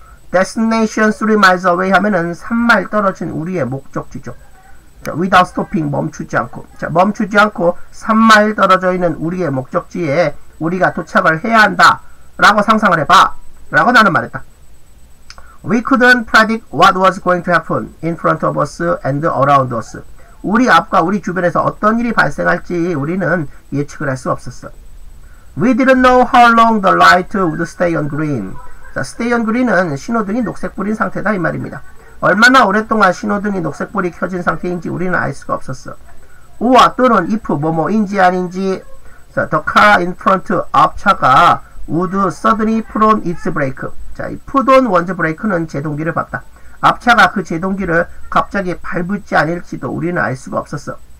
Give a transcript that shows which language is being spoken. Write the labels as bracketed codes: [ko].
[en] Destination 3 miles away [ko] 하면은 3마일 떨어진 우리의 목적지죠. 자, [en] without stopping, [ko] 멈추지 않고. 자, 멈추지 않고 3마일 떨어져 있는 우리의 목적지에 우리가 도착을 해야 한다 라고 상상을 해봐 라고 나는 말했다. [en] We couldn't predict what was going to happen in front of us and around us. [ko] 우리 앞과 우리 주변에서 어떤 일이 발생할지 우리는 예측을 할 수 없었어. [en] We didn't know how long the light would stay on green. [ko] 자, stay on green은 신호등이 녹색불인 상태다 이 말입니다. 얼마나 오랫동안 신호등이 녹색불이 켜진 상태인지 우리는 알 수가 없었어. or 또는 if 뭐뭐인지 아닌지. [en] 자, the car in front [ko] 앞차가 [en] would suddenly put on its brake. [ko] 자, put on one's brake는 제동기를 밟다. 앞차가 그 제동기를 갑자기 밟을지 아닐지도 우리는 알 수가 없었어.